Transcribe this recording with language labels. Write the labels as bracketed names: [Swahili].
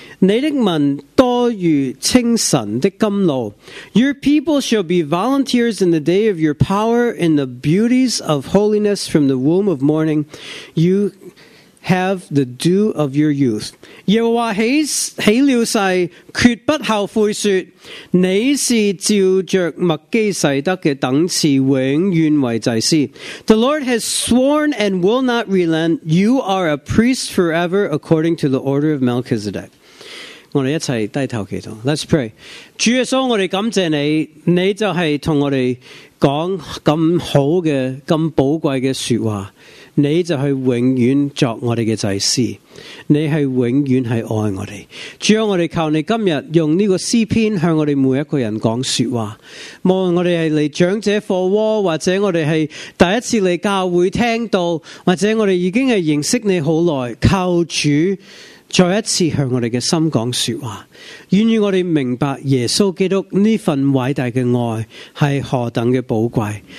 [Chinese] 你的民多如清晨的甘露。 [English] Your people shall be volunteers in the day of your power, in the beauties of holiness from the womb of morning. You have the dew of your youth. [Chinese] 耶和华起了誓，绝不后悔说，你是照着麦基洗德的等次，永远为祭司。 [English] The Lord has sworn and will not relent. You are a priest forever according to the order of Melchizedek. [Chinese] 我们一起低头祈祷。 [English] Let's pray. [Chinese] 主耶稣，我们感谢你，你就是跟我们讲咁好的、咁宝贵的说话。你就是永远作我们的祭司，你是永远是爱我们。主要我们求你今天用这个诗篇向我们每一个人讲说话，无论我们是来长者课窝，或者我们是第一次来教会听到，或者我们已经是认识你很久，求主再一次向我们的心讲说话，愿意我们明白耶稣基督这份伟大的爱是何等的宝贵。